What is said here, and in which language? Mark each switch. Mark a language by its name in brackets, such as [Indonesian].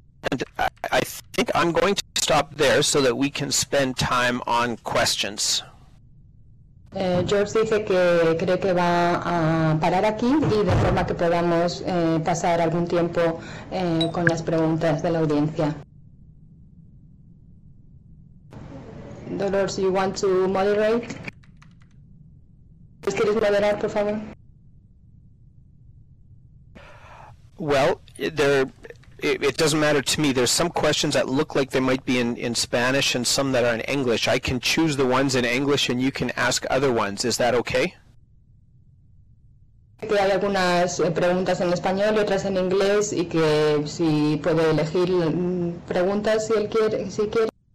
[English] And I think I'm going to stop there so that we can spend time on questions. [Spanish] George dice que cree que va a parar aquí y de forma que podamos pasar algún tiempo con las preguntas de la audiencia. [English] Dolores, you want to moderate? [Spanish] ¿Quieres moderar, por favor? [English] Well, it doesn't matter to me. There's some questions that look like they might be in Spanish and some that are in English. I can choose the ones in English and you can ask other ones. Is that okay? [Spanish] que hay algunas preguntas en español y otras en inglés y que si puede elegir preguntas si él quiere, si quiere.